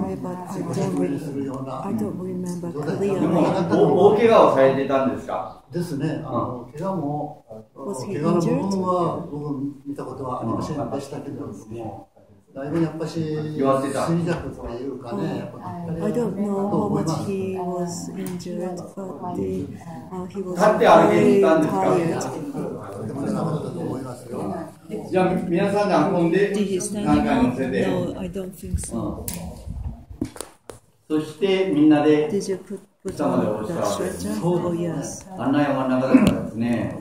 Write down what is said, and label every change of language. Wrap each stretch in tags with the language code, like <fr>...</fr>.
<ja>そういえば、自分でするような。でも、大怪我をされてたんですか？ですね、怪我も、怪我の部分は僕は見たことはありませんでしたけども、だいぶやっぱし、衰弱というかね、</ja> <en>I don't know how much he was injured, but the, he was very tired.</en> <ja>でもね、なかったと思いますよ。じゃあ、皆さんで運んで、何回乗せて。</ja> <en>No, I don't think so.</en> <ja>そして、みんなで、</ja> <en>Did you put</en> <ja>下まで押したわけですね。あんな山の中だったんですね。</ja>